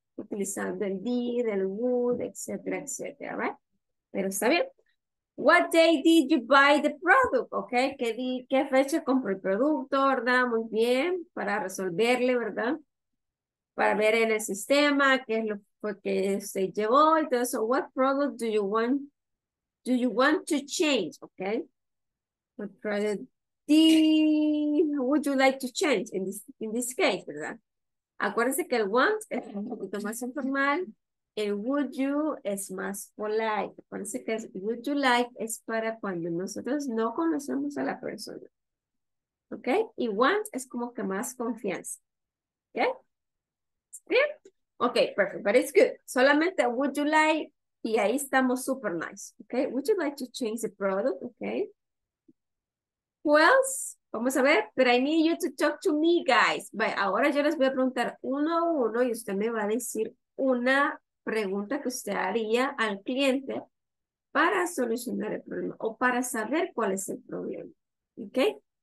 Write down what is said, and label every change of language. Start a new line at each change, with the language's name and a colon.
Spanish: Utilizando el did, el would, etcétera, etcétera, right? Pero está bien.
English: What day did you buy the product? Okay,
Spanish: ¿qué fecha compró el producto, verdad? Muy bien, para resolverle, ¿verdad? Para ver en el sistema qué es lo que se llevó y todo eso.
English: What product do you want to change? Okay, what product would you like to change in this case, ¿verdad?
Spanish: Acuérdense que el want es un poquito más informal. El would you es más polite. Acuérdense que el would you like es para cuando nosotros no conocemos a la persona. ¿Ok? Y want es como que más confianza. ¿Ok? ¿Sí?
English: Ok, perfect. But it's good.
Spanish: Solamente would you like y ahí estamos super nice. ¿Ok?
English: Would you like to change the product? ¿Ok? Who else?
Spanish: Vamos a ver,
English: but I need you to talk to me, guys.
Spanish: But ahora yo les voy a preguntar uno a uno y usted me va a decir una pregunta que usted haría al cliente para solucionar el problema o para saber cuál es el problema, ¿ok?